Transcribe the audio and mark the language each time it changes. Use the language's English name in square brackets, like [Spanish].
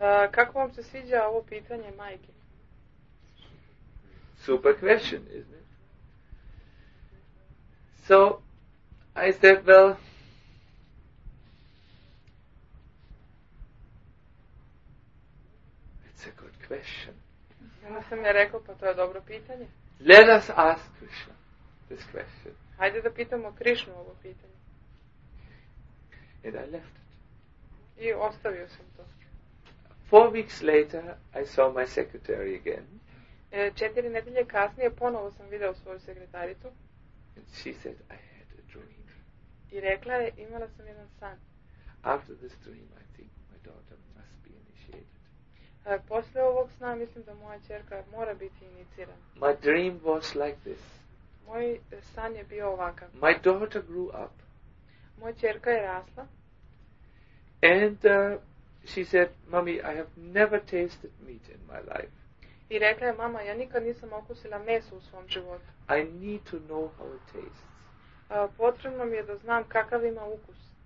[Serbian] Kako vam se sviđa ovo pitanje majke? [English] Super question, isn't it? So, I said, well, it's a good question. [Serbian] Ja sam je rekao, pa to je dobro pitanje. [English] Let us ask Krishna this question. [Serbian] Hajde da pitamo Krishnu ovo pitanje. [English] And I left it. [Serbian] I ostavio sam to. [English] 4 weeks later, I saw my secretary again. [Serbian] 4 nedelje kasnije ponovo sam video svoju sekretaricu. [English] And she said, I had a dream. [Serbian] I rekla je, imala sam jedan san. [English] After this dream, I think my daughter must be initiated. [Serbian] Posle ovog sna mislim da moja ćerka mora biti inicirana. [English] My dream was like this. [Serbian] Moj san je bio ovakav. [English] My daughter grew up. [Serbian] Moja ćerka je rasla. [English] And she said, Mommy, I have never tasted meat in my life. [Serbian] I rekla je, mama, ja nikad nisam okusila meso u svom životu. [English] I need to know how it tastes. [Serbian] Potrebno mi je da znam kakav ima ukus.